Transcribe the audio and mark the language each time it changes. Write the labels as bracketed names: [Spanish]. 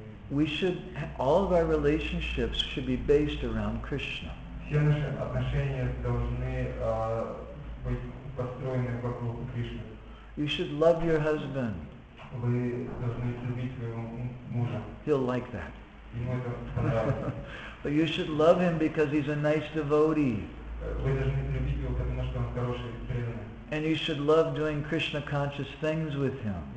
[English] We should, all of our relationships should be based around Krishna. [Russian] Все наши отношения должны быть построены вокруг Кришны. [English] You should love your husband. [Russian] Вы должны любить своего мужа. [English] He'll like that. [Russian] Ему это понравится. [English] But you should love him because he's a nice devotee. [Russian] Вы должны любить его, потому что он хороший преданный. [English] And you should love doing Krishna conscious things with him.